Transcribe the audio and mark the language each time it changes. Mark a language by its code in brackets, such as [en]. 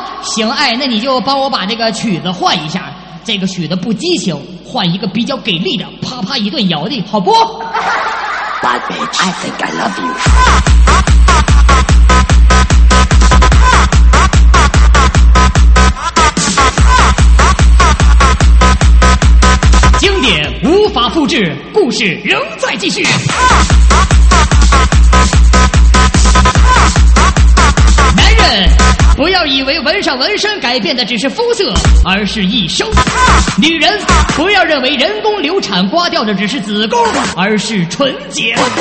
[zh] 行，哎，那你就帮我把这个曲子换一下，这个曲子不激情，换一个比较给力的，啪啪一顿摇的好不？ [en] Bad bitch, I think I love you. [zh] 经典无法复制，故事仍在继续。男人不要以为纹上纹身改变的只是肤色，而是一生。女人不要认为人工流产刮掉的只是子宫，而是纯洁。